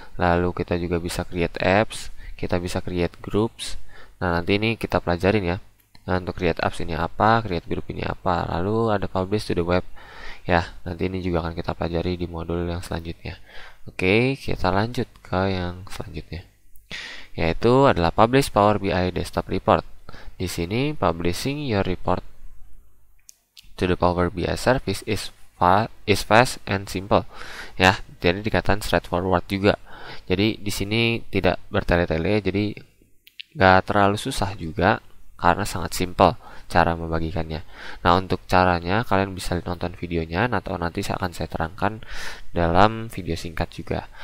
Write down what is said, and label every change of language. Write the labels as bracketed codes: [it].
[id] Lalu kita juga bisa create apps, kita bisa create groups. Nah, nanti ini kita pelajarin ya. Nah, untuk create apps ini apa, create group ini apa, lalu ada [en] publish to the web. [id] Ya, nanti ini juga akan kita pelajari di modul yang selanjutnya. Oke, kita lanjut ke yang selanjutnya. Yaitu adalah publish Power BI Desktop Report. Di sini, [en] publishing your report to the Power BI service is fast and simple. [id] Ya, jadi dikatakan straightforward juga. Jadi, di sini tidak bertele-tele, jadi nggak terlalu susah juga. Karena sangat simple cara membagikannya. Nah, untuk caranya kalian bisa nonton videonya atau nanti saya akan saya terangkan dalam video singkat juga.